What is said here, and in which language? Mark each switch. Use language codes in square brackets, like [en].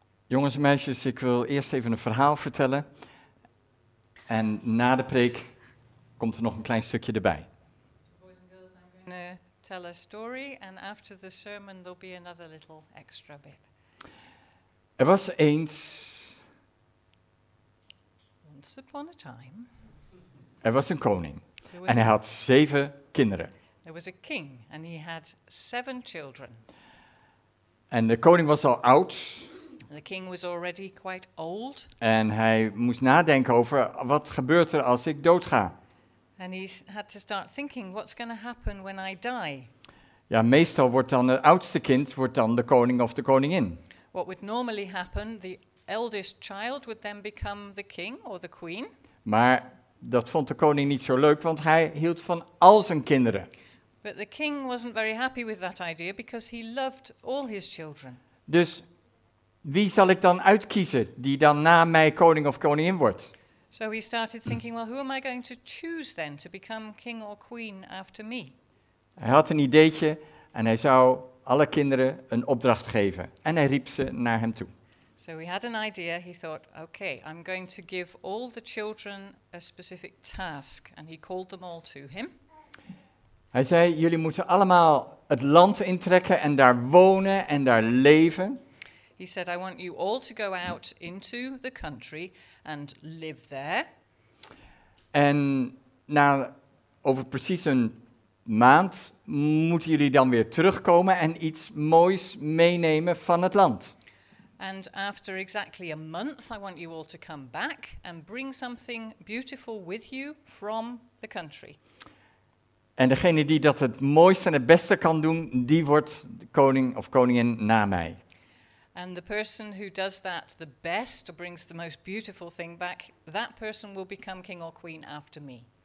[nl] Jongens en meisjes, ik wil eerst even een verhaal vertellen. En na de preek komt er nog een klein stukje erbij. [en] Boys and girls, I'm going to tell a story, and after the sermon there'll be another little extra bit. [nl] Er was eens. [en] Once upon a time. [nl] Er was een koning, en hij had zeven kinderen. [en] There was a king, and he had seven children. [nl] En de koning was al oud. [en] The king was already quite old. [nl] En hij moest nadenken over wat gebeurt er als ik doodga. [en] And he had to start thinking, what's going to happen when I die? [nl] Ja, meestal wordt dan het oudste kind wordt dan de koning of de koningin. [en] What would normally happen, the eldest child would then become the king or the queen. [nl] Maar dat vond de koning niet zo leuk, want hij hield van al zijn kinderen. [en] But the king wasn't very happy with that idea because he loved all his children. [nl] Dus wie zal ik dan uitkiezen die dan na mij koning of koningin wordt? [en] So he started thinking, well, who am I going to choose then to become king or queen after me? [nl] Hij had een ideetje en hij zou alle kinderen een opdracht geven. En hij riep ze naar hem toe. [en] So he had an idea. He thought, okay, I'm going to give all the children a specific task. And he called them all to him. [nl] Hij zei, jullie moeten allemaal het land intrekken en daar wonen en daar leven. [en] He said, I want you all to go out into the country and live there. [nl] En na over precies een maand moeten jullie dan weer terugkomen en iets moois meenemen van het land. [en] And after exactly a month, I want you all to come back and bring something beautiful with you from the country. [nl] En degene die dat het mooiste en het beste kan doen, die wordt koning of koningin na mij. [en] And the person who does that the best, or brings the most beautiful thing back, that person will become king or queen after me.